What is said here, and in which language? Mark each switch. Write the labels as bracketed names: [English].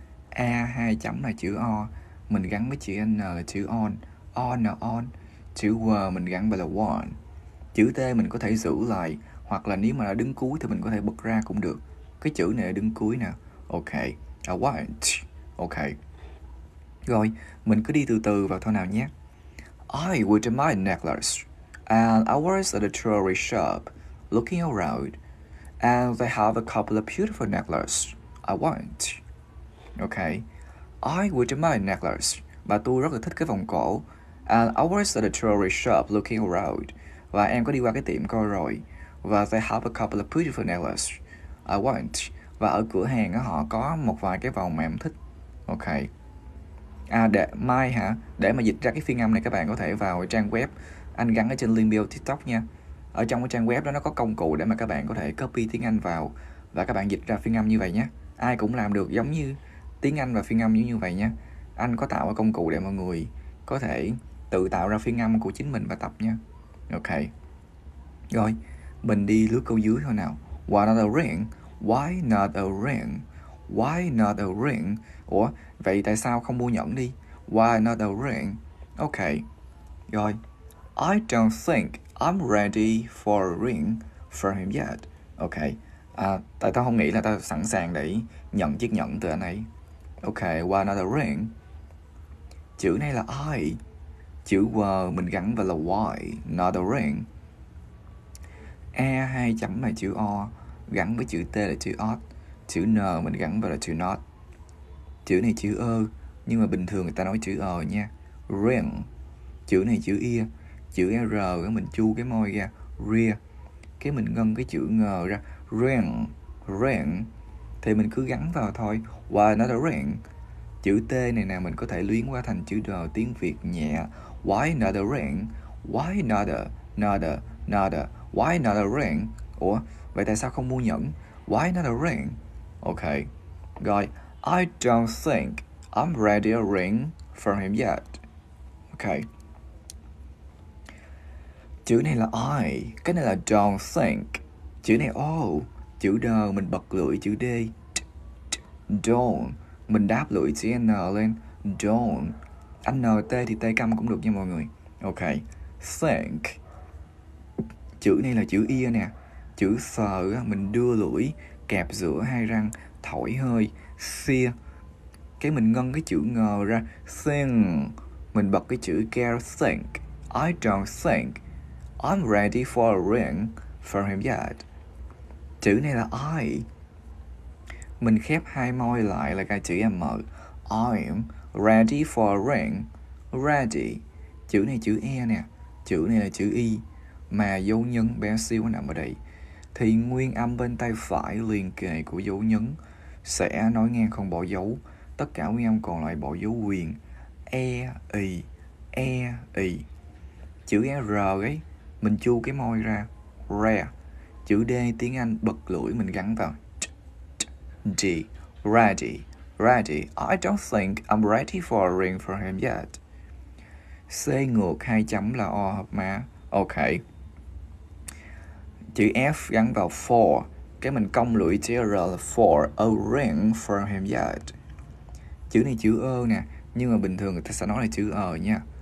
[Vietnamese] E hai chấm là chữ O. Mình gắn với chữ N là chữ on. On là on. Chữ W mình gắn vào là want. Chữ T mình có thể giữ lại, hoặc là nếu mà đã đứng cuối thì mình có thể bật ra cũng được. Cái chữ này đứng cuối nè. Ok. [English] I want. [Vietnamese] Ok. Rồi, mình cứ đi từ từ vào thôi nào nhé. [English] I would admire necklace, and I was at a jewelry shop looking around, and they have a couple of beautiful necklaces I want. Ok. I would admire necklace, [Vietnamese] và tôi rất là thích cái vòng cổ. [English] And I was at a jewelry shop looking around, [Vietnamese] và em có đi qua cái tiệm coi rồi. [English] Và they have a couple of beautiful necklaces I want. [Vietnamese] Và ở cửa hàng họ có một vài cái vòng mà em thích. Ok. À, để mai hả? Để mà dịch ra cái phiên âm này, các bạn có thể vào trang web. Anh gắn ở trên link bio TikTok nha. Ở trong cái trang web đó nó có công cụ để mà các bạn có thể copy tiếng Anh vào, và các bạn dịch ra phiên âm như vậy nhé. Ai cũng làm được giống như tiếng Anh và phiên âm như vậy nhé. Anh có tạo công cụ để mọi người có thể tự tạo ra phiên âm của chính mình và tập nha. Ok. Rồi, mình đi lướt câu dưới thôi nào. [English] Why not a ring? Why not a ring? Why not a ring? [Vietnamese] Ủa, vậy tại sao không mua nhẫn đi? [English] Why not a ring? Ok. Rồi. I don't think I'm ready for a ring from him yet. Ok. [Vietnamese] À, tại tao không nghĩ là tao sẵn sàng để nhận chiếc nhẫn từ anh ấy. [English] Ok, why not a ring? [Vietnamese] Chữ này là I. Chữ W mình gắn vào là [English] why not a ring. [Vietnamese] E hai chấm là chữ O, gắn với chữ T là chữ odd. Chữ N mình gắn vào là chữ not. Chữ này chữ Ơ, nhưng mà bình thường người ta nói chữ Ờ nha. Ring. Chữ này chữ I. Chữ R mình chu cái môi ra. Rear. Cái mình ngân cái chữ ng ra. Ring. Ring. Thì mình cứ gắn vào thôi. [English] Why not a ring? [Vietnamese] Chữ T này nè, mình có thể luyến qua thành chữ D tiếng Việt nhẹ. [English] Why not a ring? Why not a, not a, not a, why not a ring? [Vietnamese] Ủa, vậy tại sao không mua nhẫn? [English] Why not a ring? Ok, rồi. I don't think I'm ready a ring for him yet. Ok. [Vietnamese] Chữ này là I, cái này là don't think. Chữ này O, oh, chữ D, mình bật lưỡi chữ D. Don't, mình đáp lưỡi chữ N lên. Don't. Anh N, T thì T câm cũng được nha mọi người. Ok. Think. Chữ này là chữ I nè. Chữ S, mình đưa lưỡi kẹp giữa hai răng, thổi hơi. Sear. Cái mình ngân cái chữ ng ra. Think. Mình bật cái chữ K. Think. [English] I don't think I'm ready for a ring for him yet. [Vietnamese] Chữ này là I. Mình khép hai môi lại là cái chữ M. [English] I'm ready for a ring. [Vietnamese] Ready. Chữ này chữ E nè. Chữ này là chữ Y. Mà dấu nhấn bé xíu nằm ở đây thì nguyên âm bên tay phải liền kề của dấu nhấn sẽ nói ngang không bỏ dấu. Tất cả nguyên âm còn lại bỏ dấu quyền. E, I, E, I. Chữ R ấy, mình chu cái môi ra. Rare. Chữ D tiếng Anh bật lưỡi mình gắn vào. D. Ready. Ready. [English] I don't think I'm ready for a ring for him yet. [Vietnamese] C ngược hai chấm là O hợp má. Ok. Chữ F gắn vào for. Cái mình cong lưỡi chữ R là [English] for a ring for him yet. [Vietnamese] Chữ này chữ O nè. Nhưng mà bình thường người ta sẽ nói là chữ O nha.